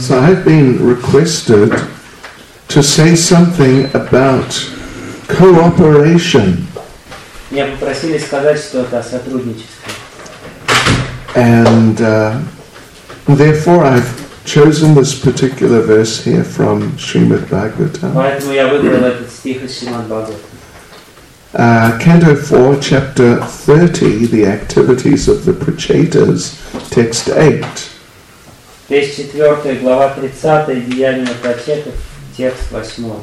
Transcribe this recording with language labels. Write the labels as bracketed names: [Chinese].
[English] So I've been requested to say something about cooperation. [Russian] Мне попросили сказать что-то о сотрудничестве. [English] And therefore I've chosen this particular verse here from Srimad Bhagavatam. [Russian] Поэтому я выбрал этот стих из Шримад Бхагаватам. [English] Canto 4, chapter 30, the activities of the Prachetas, text 8. [Russian] Песнь 4, глава 30, деяния Прачетов, текст 8.